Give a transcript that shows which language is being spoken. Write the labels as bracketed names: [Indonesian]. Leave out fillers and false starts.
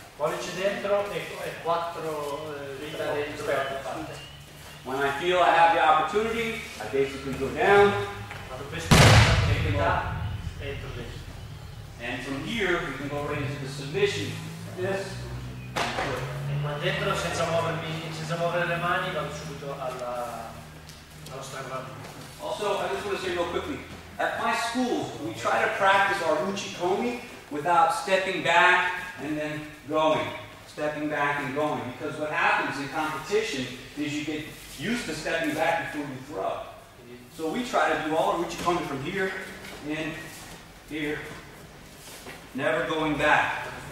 [Italian] Pollice dentro e quattro dita dentro. [English] When I feel I have the opportunity, I basically go down, take him up, and from here we can go right into the submission. Yes. [Italian] Ma dentro senza muovermi, senza muovere le mani, vado subito allo strangolamento. [English] Also, I just want to say real quickly, at my school, we try to practice our uchikomi without stepping back and then going, stepping back and going, because what happens in competition is you get used to stepping back before you throw. So we try to do all of which coming from here and here, never going back.